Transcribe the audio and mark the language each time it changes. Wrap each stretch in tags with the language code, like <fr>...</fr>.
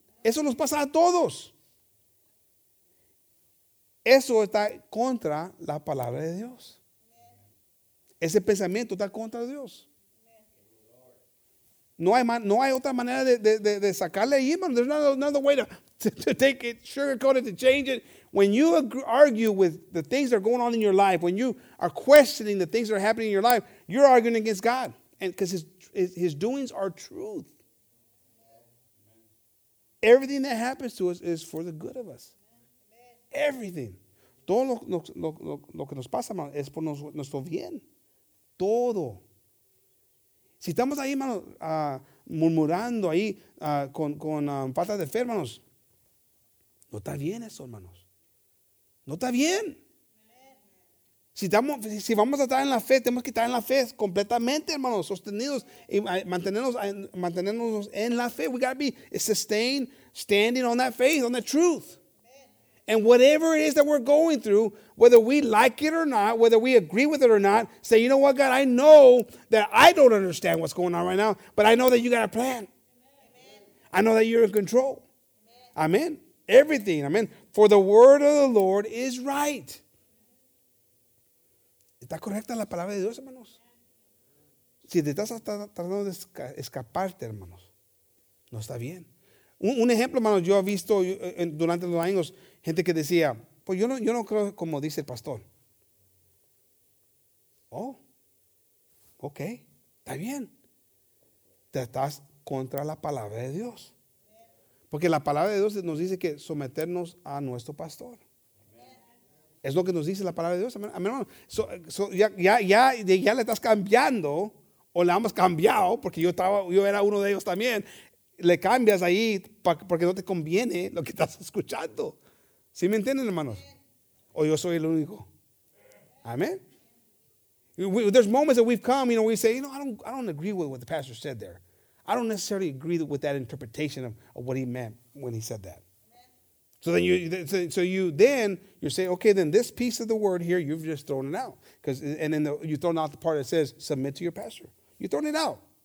<es>Eso nos pasa a todos. Eso está contra la palabra de Dios. Ese pensamiento está contra Dios. No hay otra manera de sacarle ahí, hermano.</es> <en>There's another way to take it, sugarcoat it, to change it. When you argue with the things that are going on in your life, when you are questioning the things that are happening in your life, you're arguing against God, and because his doings are truth. Everything that happens to us is for the good of us. Everything.</en> <es>Todo lo que nos pasa, hermano, es por nuestro bien. Todo. Si estamos ahí, hermano, murmurando ahí con falta de fe, hermanos, no está bien eso, hermanos. No está bien. Si vamos a estar en la fe, tenemos que estar en la fe completamente, hermanos, sostenidos y mantenernos en la fe.</es> <en>We got to be sustained, standing on that faith, on the truth. And whatever it is that we're going through, whether we like it or not, whether we agree with it or not, say, you know what, God, I know that I don't understand what's going on right now, but I know that you got a plan. Amen. I know that you're in control. Amen. Amen. Everything, amen. For the word of the Lord is right.</en> <es>¿Está correcta la palabra de Dios, hermanos? Si te estás tratando de escaparte, hermanos, no está bien. Un ejemplo, hermanos, yo he visto durante los años gente que decía, pues yo no creo como dice el pastor. Oh, ok, está bien. Te estás contra la palabra de Dios. Porque la palabra de Dios nos dice que someternos a nuestro pastor. Es lo que nos dice la palabra de Dios. Amén, hermano. Ya le estás cambiando, o le hemos cambiado, porque yo era uno de ellos también. Le cambias ahí porque no te conviene lo que estás escuchando. ¿Sí me entienden, hermanos? O yo soy el único. Amén.</es> <en>There's moments that we've come, you know, we say, you know, I don't agree with what the pastor said there. I don't necessarily agree with that interpretation of what he meant when he said that. So then you say, okay, then this piece of the word here, you've just thrown it out. And then you've thrown out the part that says, submit to your pastor. You've thrown it out.</en>